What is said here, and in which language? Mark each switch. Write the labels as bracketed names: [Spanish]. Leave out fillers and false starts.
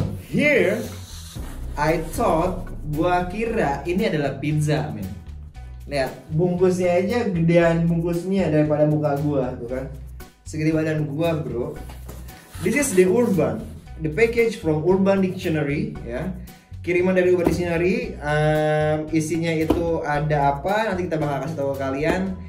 [English] Here, I thought, [Indonesian] gua kira ini adalah pizza, man. Lihat, bungkusnya aja gedean bungkusnya daripada muka gua, tuh kan. Segede badan gua, bro. [English] This is the Urban, the package from Urban Dictionary, ya. [Indonesian] Kiriman dari Urban Dictionary, isinya itu ada apa, nanti kita bakal kasih tau ke kalian.